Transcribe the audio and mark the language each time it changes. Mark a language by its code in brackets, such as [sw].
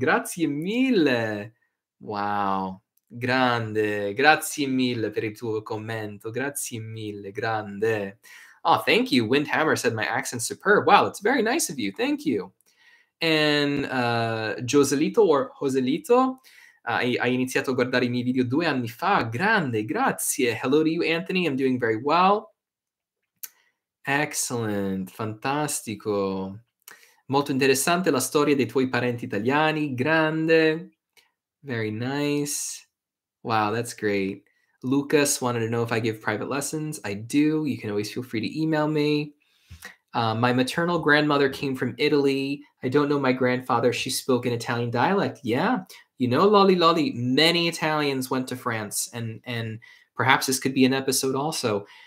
[it] Grazie mille. Wow. Grande. Grazie mille per il tuo commento. Grazie mille. Grande. [en] Oh, thank you. Windhammer said my accent's superb. Wow, that's very nice of you. Thank you. And Joselito or Joselito, [it] hai iniziato a guardare i miei video 2 anni fa. Grande, grazie. [en] Hello to you, Anthony. I'm doing very well. Excellent, fantastico. [it] Molto interessante la storia dei tuoi parenti italiani. [en] Grande. Very nice. Wow, that's great. Lucas wanted to know if I give private lessons. I do. You can always feel free to email me. My maternal grandmother came from Italy. I don't know my grandfather. She spoke an Italian dialect. Yeah. You know, Lolly Lolly, many Italians went to France, and perhaps this could be an episode also.